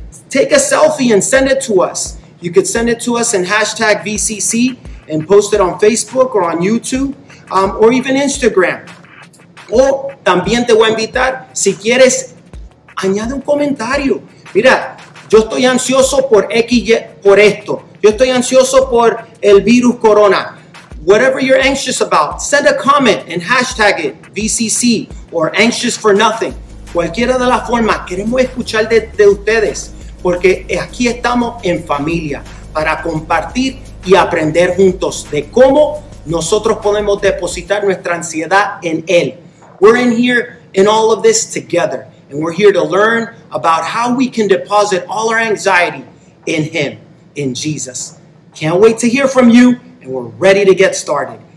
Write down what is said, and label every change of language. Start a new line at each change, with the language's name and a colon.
English: Take a selfie and send it to us. You could send it to us in hashtag VCC and post it on Facebook or on YouTube or even Instagram.
Spanish: O también te voy a invitar, si quieres, añade un comentario. Mira, yo estoy ansioso por X, por esto. Yo estoy ansioso por el virus corona.
English: Whatever you're anxious about, send a comment and hashtag it VCC or anxious for nothing.
Spanish: Cualquiera de las formas, queremos escuchar de ustedes porque aquí estamos en familia para compartir y aprender juntos de cómo nosotros podemos depositar nuestra ansiedad en él.
English: We're in here in all of this together, and we're here to learn about how we can deposit all our anxiety in him, in Jesus. Can't wait to hear from you, and we're ready to get started.